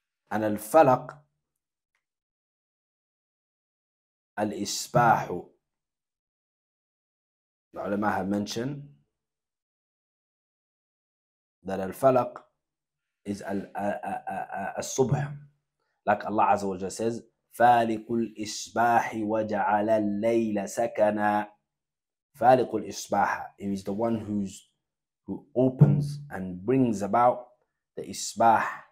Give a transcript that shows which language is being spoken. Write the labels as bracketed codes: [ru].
[en] And al-falaq, al-isbahu. The ulama have mentioned that al-falaq is al-subh. Like Allah Azza wa Jalla says, [ar] فَالِقُ الْإِصْبَاحِ وَجَعَلَ اللَّيْلَ سَكَنَا فَالِقُ الْإِصْبَاحَ. [en] He is the one who opens and brings about the isbah.